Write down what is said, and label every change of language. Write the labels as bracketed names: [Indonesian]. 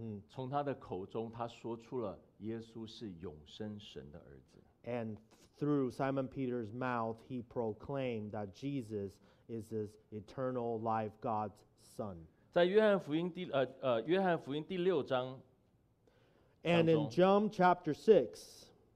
[Chinese] 从他的口中，他说出了耶稣是永生神的儿子。 [English] And through Simon Peter's mouth, he proclaimed that Jesus is his eternal life God's son. [Chinese] 在约翰福音第约翰福音第六章。 [English] And in John chapter 6.